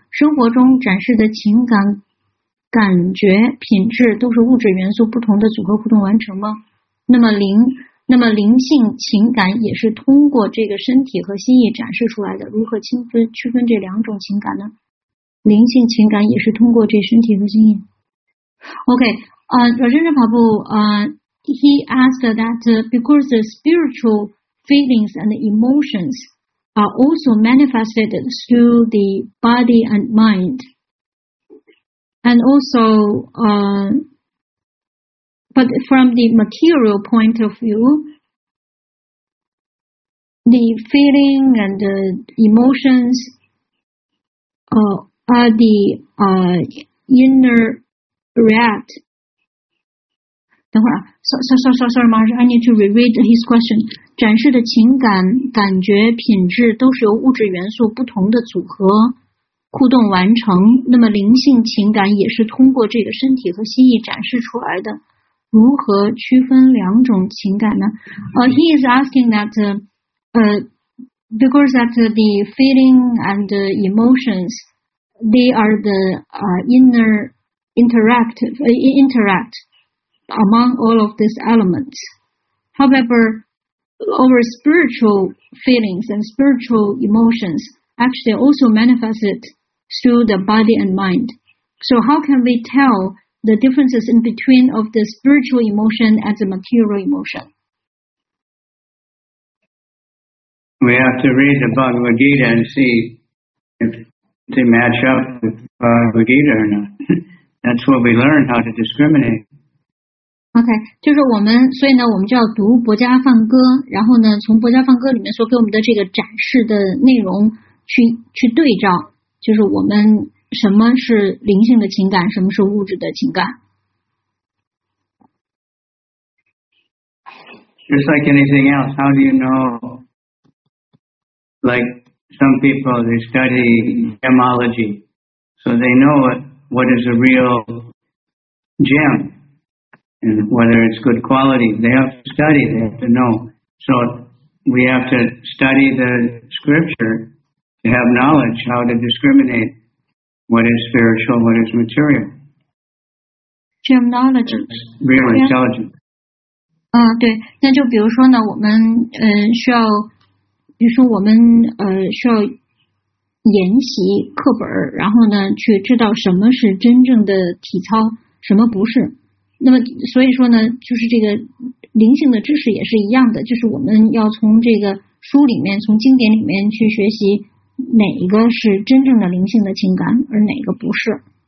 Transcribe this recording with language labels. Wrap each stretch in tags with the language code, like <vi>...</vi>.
<zh>生活中展示的情感、感觉、品质都是物质元素不同的组合互动完成吗？那么灵性情感也是通过这个身体和心意展示出来的，如何区分这两种情感呢？灵性情感也是通过这身体和心意。</zh> <en>Rajendra Prabhu, he asked that because the spiritual feelings and emotions are also manifested through the body and mind. And also, but from the material point of view, the feeling and the emotions are the inner react. Sorry, Marsh, I need to reread his question.</en> <zh>展示的情感、感觉、品质都是由物质元素不同的组合互动完成，那么灵性情感也是通过这个身体和心意展示出来的，如何区分两种情感呢？</zh> <en>He is asking that because that the feeling and the emotions they are the interact among all of these elements. However,Our spiritual feelings and spiritual emotions actually also manifested through the body and mind. So how can we tell the differences in between of the spiritual emotion and the material emotion? We have to read the Bhagavad Gita and see if they match up with Bhagavad Gita or not. That's what we learn, how to discriminate.</en> <zh>OK, 就是我们所以呢我们就要读博伽梵歌，然后呢从博伽梵歌里面所给我们的这个展示的内容去对照，就是我们什么是灵性的情感，什么是物质的情感。</zh> <en>Just like anything else, how do you know, like some people, they study gemology, so they know what is a real gem. And whether it's good quality, they have to study, they have to know. So we have to study the scripture to have knowledge how to discriminate what is spiritual, what is material. Gem knowledge. Real intelligence.</en> <zh>对，那就比如说呢，我们需要，比如说我们需要研习课本，然后呢去知道什么是真正的体操，什么不是。那么所以说呢，就是这个灵性的知识也是一样的，就是我们要从这个书里面，从经典里面去学习哪一个是真正的灵性的情感，而哪个不是。</zh>